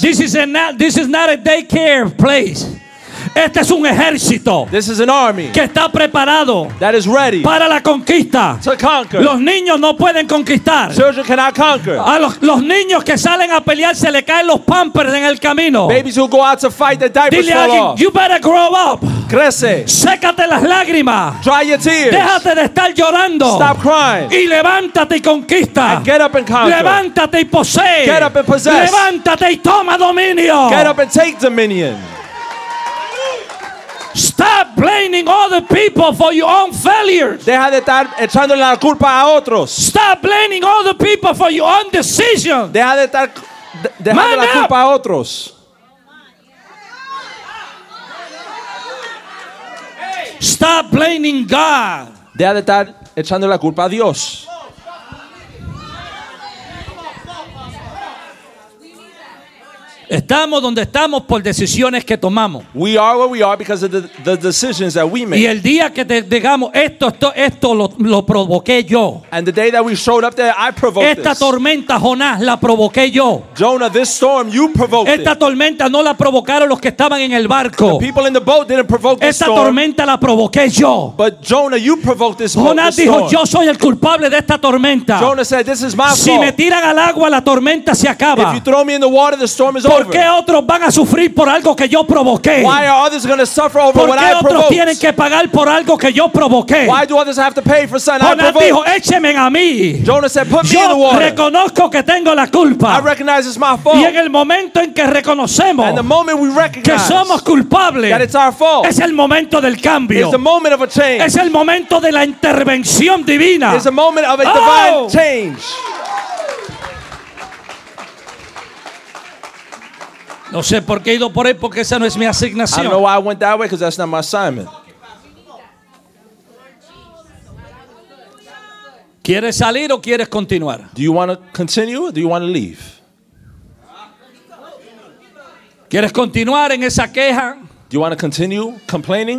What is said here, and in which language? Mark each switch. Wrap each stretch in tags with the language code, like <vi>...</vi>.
<en>This is not a daycare place.</en> <es>Este es un ejército.</es> <en>This is an army.</en> <es>Que está preparado.</es> <en>That is ready.</en> <es>Para la conquista.</es> <en>To conquer.</en> <es>Los niños no pueden conquistar.</es> <en>Children cannot conquer.</en> <es>A los niños que salen a pelear se le caen los pampers en el camino.</es> <en>Babies who go out to fight, the diapers fall off. You better grow up.</en> <es>Crece. Sécate las lágrimas.</es> <en>Dry your tears.</en> <es>Déjate de estar llorando.</es> <en>Stop crying.</en> <es>Y levántate y conquista.</es> <en>And get up and conquer.</en> <es>Levántate y posee.</es> <en>Get up and possess.</en> <es>Levántate y toma dominio.</es> <en>Get up and take dominion. Stop blaming other people for your own failures.</en> <es>Deja de estar echándole la culpa a otros.</es> <en>Stop blaming other people for your own decisions.</en> <es>Deja de estar dejando la culpa a otros.</es> <en>Stop blaming God.</en> <es>Deja de estar echando la culpa a Dios. Estamos donde estamos por decisiones que tomamos.</es> <en>We are where we are because of the decisions that we make.</en> <es>Y el día que digamos esto lo provoqué yo.</es> <en>And the day that we showed up there, I provoked</en> <es>esta</es> <en>this.</en> <es>Tormenta, Jonás, la provoqué yo.</es> <en>Jonah, this storm, you provoked</en> <es>esta</es> <en>it.</en> <es>Tormenta no la provocaron los que estaban en el barco.</es> <en>The people in the boat didn't provoke</en> <es>esta</es> <en>this storm.</en> <es>Esta tormenta la provoqué yo.</es> <en>But Jonah, you provoked this storm.</en> <es>Jonás dijo, yo soy el culpable de esta tormenta.</es> <en>Jonah said, this is my fault.</en> <es>Si me tiran al agua, la tormenta se acaba.</es> <en>If you throw me in the water, the storm is over.</en> <es>¿Por qué otros van a sufrir por algo que yo provoqué?</es> <en>Why are others going to suffer over what I provoked?</en> <es>¿Por qué otros tienen que pagar por algo que yo provoqué?</es> <en>Why do others have to pay for something I provoked?</en> <es>Jonás dijo, écheme a mí.</es> <en>Jonah said, put me in the water.</en> <es>Yo reconozco que tengo la culpa.</es> <en>I recognize it's my fault.</en> <es>Y en el momento en que reconocemos</es> <en>and the moment we recognize</en> <es>que somos culpables,</es> <en>that it's our fault,</en> <es>es el momento del cambio.</es> <en>It's the moment of a change.</en> <es>Es el momento de la intervención divina.</es> <en>It's the moment of a divine change.</en> <es>No sé por qué he ido por ahí, porque esa no es mi asignación.</es> <en>I don't know why I went that way, because that's not my assignment.</en> <es>¿Quieres salir o quieres continuar?</es> <en>Do you want to continue or do you want to leave?</en> <es>¿Quieres continuar en esa queja?</es> <en>Do you want to continue complaining?</en>